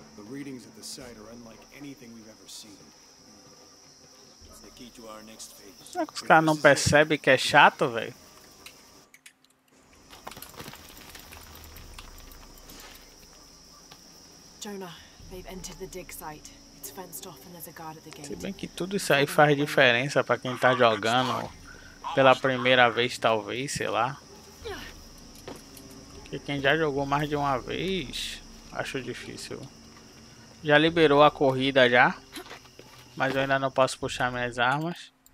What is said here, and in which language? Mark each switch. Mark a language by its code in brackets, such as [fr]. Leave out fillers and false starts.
[en] Readings at the site are unlike anything we've ever seen. It's the key to our next phase. [pt] Será que os caras não percebem que é chato, velho? [en] Jonah, they've entered the dig site. It's fenced off and there's a guard at the gate. [pt] Se bem que tudo isso aí faz diferença pra quem tá jogando pela primeira vez, talvez, sei lá. Porque quem já jogou mais de uma vez, acho difícil. Já liberou a corrida já, mas eu ainda não posso puxar minhas armas.